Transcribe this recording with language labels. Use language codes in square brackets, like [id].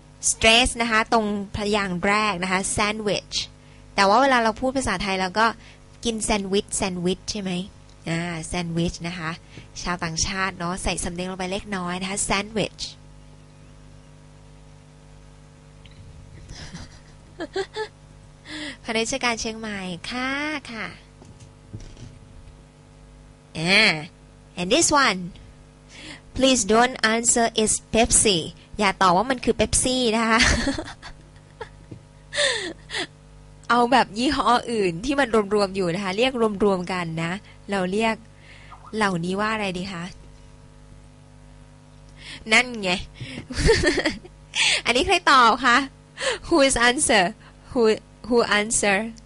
[th] สเตรสนะคะตรงพยางค์แรกนะคะแซนด์วิชแต่ว่าเวลาเราพูดภาษาไทยเราก็กินแซนด์วิชใช่ไหมแซนด์วิชนะคะชาวต่างชาติเนาะใส่สำเนียงลงไปเล็กน้อยนะคะแซนด์วิชพนักงานเชียงใหม่ค่ะค่ะ [en] and this one please Please don't answer it's Pepsi. [th] อย่าตอบว่ามันคือเป๊ปซี่นะคะเอาแบบยี่ห้ออื่นที่มันรวมๆอยู่นะคะเรียกรวมๆกันนะเราเรียกเหล่านี้ว่าอะไรดีคะนั่นไง อันนี้ใครตอบคะ [en] Who's answer? Who answer?